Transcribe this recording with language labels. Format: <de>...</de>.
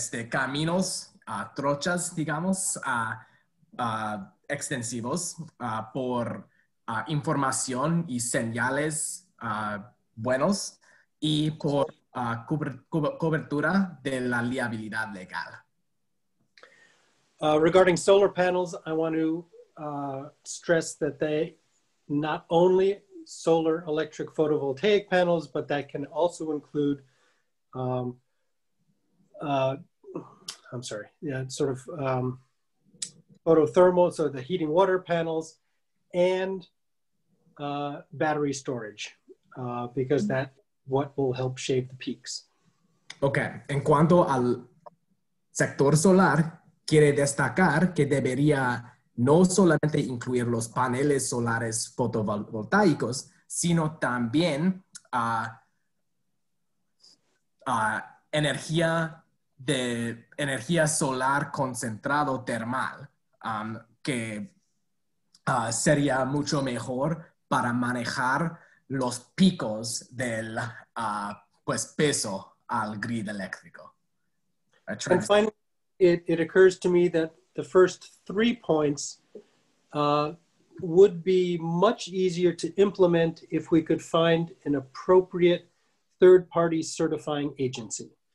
<es>caminos, trochas, digamos, extensivos, por información y señales buenos y por cobertura de la liabilidad legal.</es> <en>Regarding solar panels, I want to stress that they not only solar electric photovoltaic panels, but that can also include photothermal, so the heating water panels and battery storage, because that's what will help shape the peaks.</en> <es>Okay, en cuanto al sector solar, quiere destacar que debería no solamente incluir los paneles solares fotovoltaicos, sino también energía solar concentrado termal, que sería mucho mejor para manejar los picos del pues peso al grid eléctrico.</es> <en>And finally, it occurs to me that the first three points would be much easier to implement if we could find an appropriate third-party certifying agency.</en>